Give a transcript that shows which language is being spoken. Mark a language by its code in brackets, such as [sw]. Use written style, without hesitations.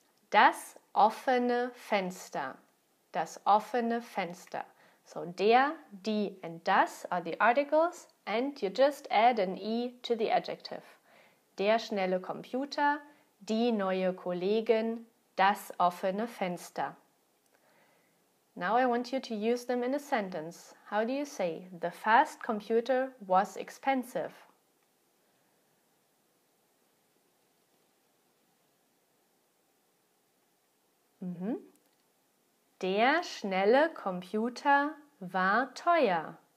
[de] Das offene Fenster. Das offene Fenster. [en] So der, die and das are the articles and you just add an E to the adjective. [de] Der schnelle Computer, die neue Kollegin, das offene Fenster. [en] Now I want you to use them in a sentence. How do you say the fast computer was expensive? [de] Der schnelle Computer war teuer.